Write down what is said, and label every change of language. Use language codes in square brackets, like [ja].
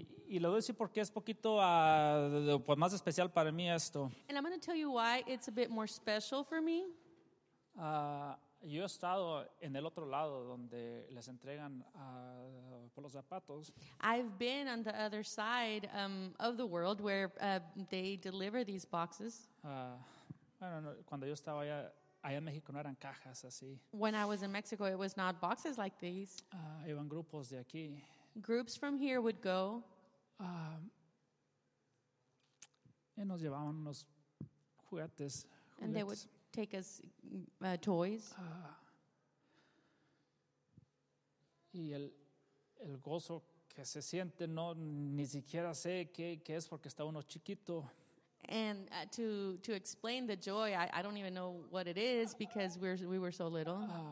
[es] Y lo voy a decir porque es poquito pues más especial para mí esto. [en] And I'm going to tell you why it's a bit more special for me. [es] Yo he estado en el otro lado donde les entregan por los zapatos. [en] I've been on the other side of the world where they deliver these boxes. [es] Bueno, cuando yo estaba allá en México no eran cajas así. [en] When I was in Mexico, it was not boxes like these. [es] Iban grupos de aquí. [en] Groups from here would go. [es] Y nos llevaban unos juguetes. [en] And they would take us toys. [es] Y el gozo que se siente, no, ni siquiera sé qué es porque está uno chiquito. [en] And to explain the joy, I don't even know what it is because we were so little.